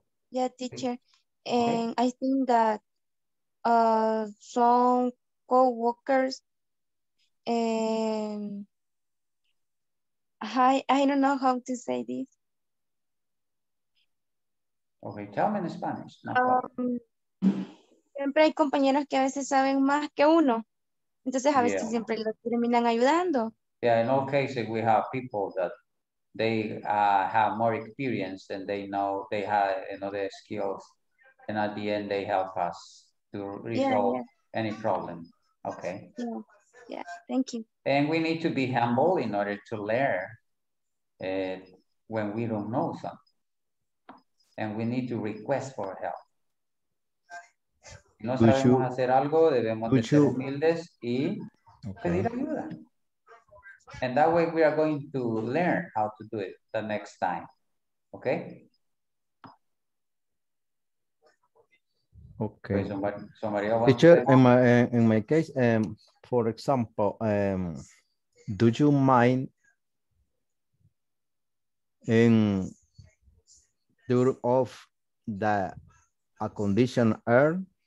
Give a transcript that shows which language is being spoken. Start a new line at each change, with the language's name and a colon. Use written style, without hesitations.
English: Yeah, teacher. And okay. I think that some co-workers and I don't know how to say this. Okay, tell me in Spanish.
Spanish: Siempre hay compañeros que a veces saben más que uno. Entonces a veces siempre lo terminan ayudando.
English: Yeah, in all cases we have people that they have more experience and they know they have another skills, and at the end they help us to resolve any problem. Okay. Yeah, thank you. And we need to be humble in order to learn when we don't know something. And we need to request for help.
Spanish: No sabemos hacer algo, debemos ser humildes y pedir ayuda.
English: And that way we are going to learn how to do it the next time. Okay? Okay. In my case, for example, do you mind in due of the a condition error?